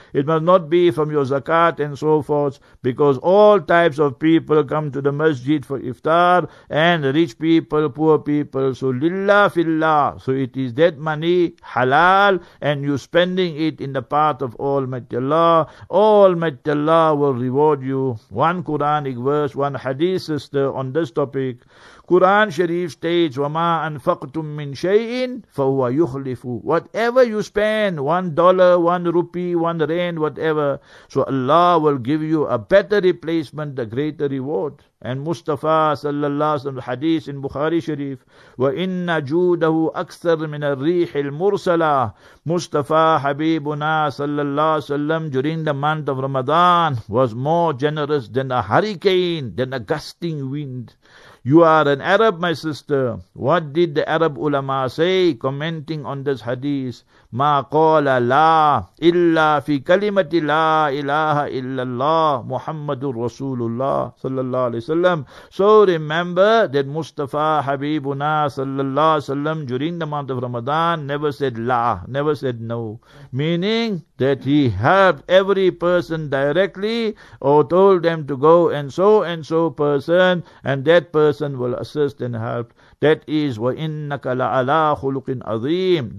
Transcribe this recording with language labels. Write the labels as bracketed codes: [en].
[en] It must not be from your zakat and so forth. Because all types of people come to the masjid for iftar, and rich people, poor people. So lillah fillah. So it is that money halal, and you spending it in the path of Almighty Allah. Almighty Allah will reward you. One Quranic verse, one hadith, sister, on this topic. Quran Sharif states, [ar] وَمَا أَنْفَقْتُم مِّن شَيْءٍ فَهُوَ يُخْلِفُ. [en] Whatever you spend, $1, 1 rupee, 1 rand, whatever, so Allah will give you a better replacement, a greater reward. And Mustafa sallallahu alaihi wasallam hadith in Bukhari Sharif, [ar] وَإِنَّ جُودَهُ أَكْثَر مِنَ الرِّيحِ الْمُرْسَلَةِ. [en] Mustafa Habibuna sallallahu alaihi wasallam during the month of Ramadan was more generous than a hurricane, than a gusting wind. You are an Arab, my sister. What did the Arab ulama say, commenting on this hadith? [ar] مَا قَالَ لَا إِلَّا فِي كَلِمَةِ لَا إِلَٰهَ إِلَّا اللَّهِ مُحَمَّدٌ رَسُولُ اللَّهِ صَلَّى اللَّهُ عَلَيْهِ وَسَلَّمُ. [en] So remember that Mustafa Habibuna [ar] صَلَّى اللَّهُ عَلَيْهِ وَسَلَّمُ [en] during the month of Ramadan never said لا, never said no. Meaning that he helped every person directly or told them to go and so person, and that person will assist and help. That is [ar] وَإِنَّكَ لَعَلَىٰ خُلُقٍ عَظِيمٍ.